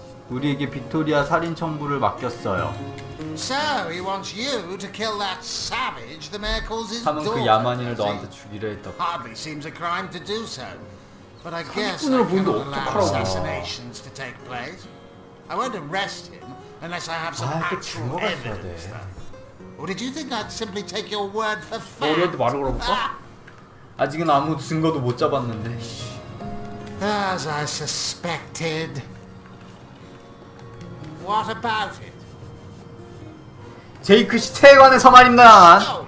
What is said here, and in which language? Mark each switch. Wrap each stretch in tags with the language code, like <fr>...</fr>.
<ko>우리에게 빅토리아 살인 청부를 맡겼어요.</ko> <en>So he wants you to kill that savage the mayor calls his daughter.</en> <ko>그 야만인을 너한테 죽이려 했다.</ko> <en>Hardly seems a crime to do so. But I guess I can't allow assassinations to take place. I won't arrest him unless I have some actual evidence. Or did you think I'd simply take your word for fact?</en> <ko>우리한테 말을 걸어볼까? 아직은 아무 증거도 못 잡았는데.</ko> <en>As I suspected. What about it?</en> <ko>제이크 시체에 관해서 말입니다.</ko>